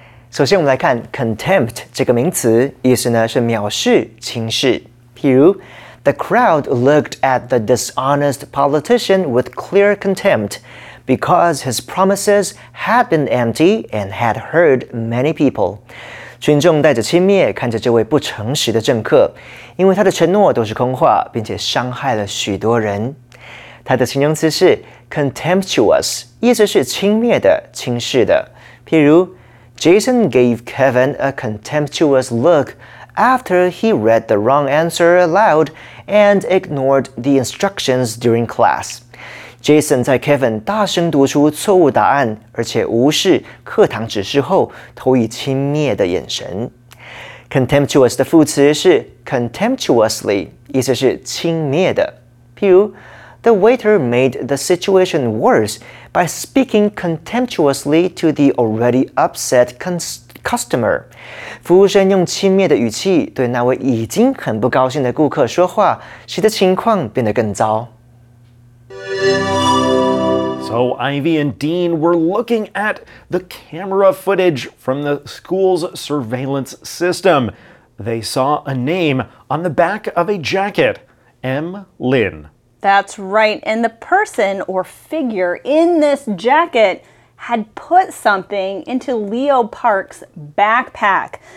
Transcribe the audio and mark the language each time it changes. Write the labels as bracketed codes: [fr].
[zh] 首先我们来看 contempt 这个名词，意思呢是藐视、轻视。譬如 [en] The crowd looked at the dishonest politician with clear contempt because his promises had been empty and had hurt many people. [zh] 群众带着轻蔑看着这位不诚实的政客，因为他的承诺都是空话，并且伤害了许多人。它的形容词是 contemptuous， 意思是轻蔑的、轻视的。譬如 [en] ，Jason gave Kevin a contemptuous look after he read the wrong answer aloud and ignored the instructions during class. [zh] Jason 在 Kevin 大声读出错误答案，而且无视课堂指示后，投以轻蔑的眼神。 Contemptuous 的副词是 contemptuously， 意思是轻蔑的。譬如。 [en] The waiter made the situation worse by speaking contemptuously to the already upset customer. [zh] 服务生用轻蔑的语气对那位已经很不高兴的顾客说话，使得情况变得更糟。 [en] So Ivy and Dean were looking at the camera footage from the school's surveillance system. They saw a name on the back of a jacket, M. Lin. That's right, and the person or figure in this jacket had put something into Leo Park's backpack.